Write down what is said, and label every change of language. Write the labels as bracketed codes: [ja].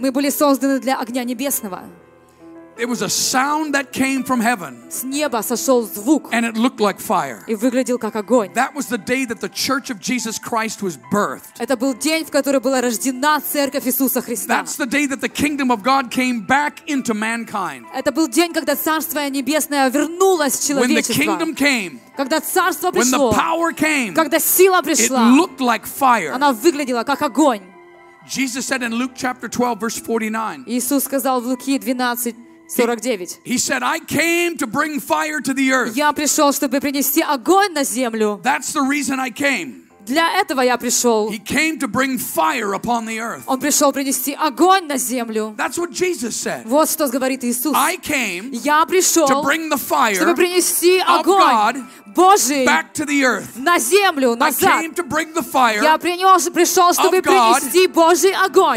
[ru] Мы были созданы для огня небесного. [en] It was a sound that came from heaven. [ru] С неба сошёл звук. [en] And it looked like fire. [ru] И выглядел как огонь. [en] That was the day that the Church of Jesus Christ was birthed. [ru] Это был день, в который была рождена Церковь Иисуса Христа. [en] That's the day that the kingdom of God came back into mankind. [ru] Это был день, когда Царство небесное вернулось в человечество. [en] When the kingdom came. [ru] Когда Царство пришло. [en] When the power came. [ru] Когда сила пришла. [en] It looked like fire. [ru] Она выглядела как огонь. [en] Jesus said in Luke chapter 12 verse 49. [ru] Иисус сказал в Луки 12 49. [en] He said, "I came to bring fire to the earth." [ru] Я пришел, чтобы принести огонь на землю. [en] That's the reason I came. [ru] Для этого я пришел. [en] He came to bring fire upon the earth. [ru] Он пришел принести огонь на землю. [en] That's what Jesus said. [ru] Вот что говорит Иисус. [en] I came. [ru] Я пришел. [en] To bring the fire. [ru] Чтобы принести огонь. [en] Of God. [ru] Божий. [en] Back to the earth. [ru] На землю, назад. [en] I came to bring the fire. [ru] Я принес, пришел, чтобы принести Божий огонь.